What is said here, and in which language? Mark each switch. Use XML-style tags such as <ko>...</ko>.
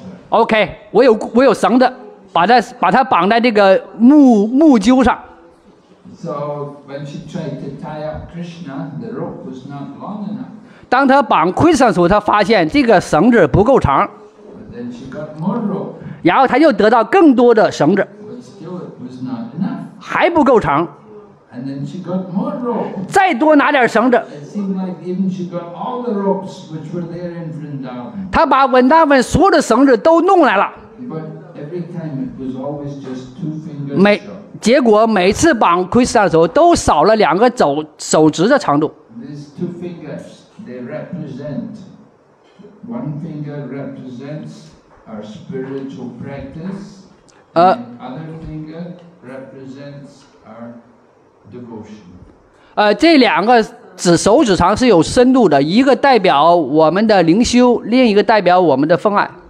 <zh>OK， 我有绳子，把他绑在这个木臼上。</zh> <en>So when she tried to tie up Krishna, the rope was not long enough.</en> <zh>当他绑 Krishna 的时候，他发现这个绳子不够长。</zh> <en>But then she got more rope.</en> <zh>然后他又得到更多的绳子。</zh> <en>But still, it was not enough.</en> <zh>还不够长。</zh> <en>And then she got more rope.</en> <zh>再多拿点绳子。</zh> <en>It seemed like even she got all the ropes which were there in Vrindavan.</en> <zh>他把文达文所有的绳子都弄来了。</zh> <en>But every time it was always just two fingers.</en> <zh>结果每次绑 Krishna 的时候都少了两个手指的长度。</zh> <en>These two fingers, they represent, one finger represents our spiritual practice, the other finger represents our devotion.</en> <zh>这两个手指长是有深度的，一个代表我们的灵修，另一个代表我们的奉爱。</zh>